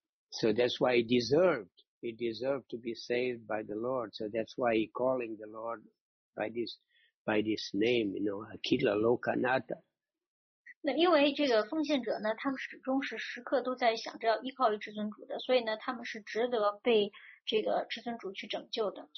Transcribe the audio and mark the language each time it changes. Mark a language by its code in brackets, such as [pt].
[en] So that's why he deserved. He deserved to be saved by the Lord. So that's why he calling the Lord by this name, you know, Akila Lokanata. [zh] 那因为这个奉献者呢，他们始终是时刻都在想着要依靠于至尊主的，所以呢，他们是值得被这个至尊主去拯救的。